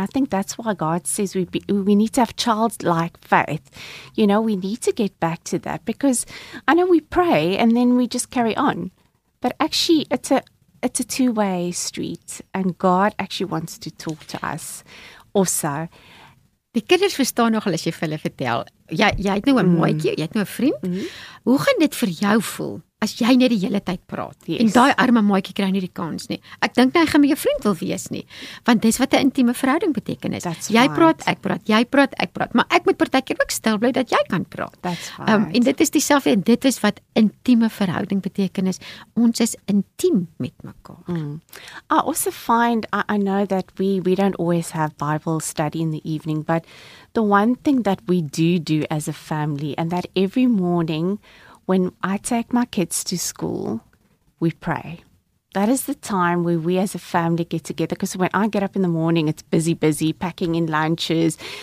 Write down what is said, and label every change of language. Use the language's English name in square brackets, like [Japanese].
[English] And I think that's why God says we need to have childlike faith. You know, we need to get back to that because I know we pray and then we just carry on. But actually, it's a two-way street and God actually wants to talk to us also. [Afrikaans] Die kinders verstaan nog as jy vir hulle vertel. Jy het nou 'n maatjie, jy het nou 'n vriend. Hoe gaan dit vir jou voel? As jy net die hele tyd praat. [English] Yes. [Afrikaans] En daai arme maatjie kry nie die kans nie. Ek dink nie hy gaan my vriend wil wees nie. Want dis wat 'n intieme verhouding beteken is. [English] That's [Afrikaans] jy praat, ek praat, jy praat, ek praat. Maar ek moet partykeer ook stil bly dat jy kan praat. En dit is dieselfde en dit is wat intieme verhouding beteken is. Ons is intiem met mekaar. [English] I also find, I know that we don't always have Bible study in the evening, but the one thing that we do as a family, and that every morning when I take my kids to school, we pray. that is the time where we as a family get together. Because when I get up in the morning, it's busy, busy, packing in lunches.